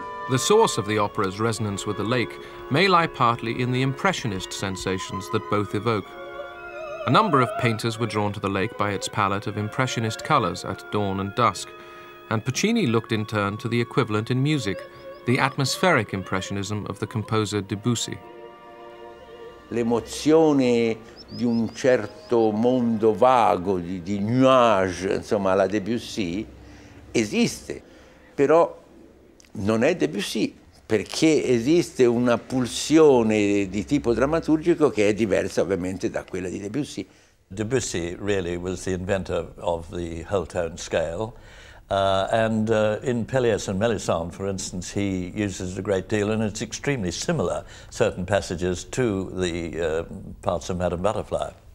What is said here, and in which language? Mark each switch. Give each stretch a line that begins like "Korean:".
English: The source of the opera's resonance with the lake may lie partly in the impressionist sensations that both evoke. A number of painters were drawn to the lake by its palette of impressionist colours at dawn and dusk, and Puccini looked in turn to the equivalent in music, the atmospheric impressionism of the composer Debussy.
Italian: L'emozione di un certo mondo vago, di nuage, insomma, la Debussy, esiste, però non è Debussy, perché esiste una pulsione di tipo drammaturgico che è diversa ovviamente da quella di Debussy.
English: Debussy really was the inventor of the whole tone scale. In Pelléas and Mélisande, for instance, he uses it a great deal, and it's extremely similar, certain passages, to the parts of Madame Butterfly.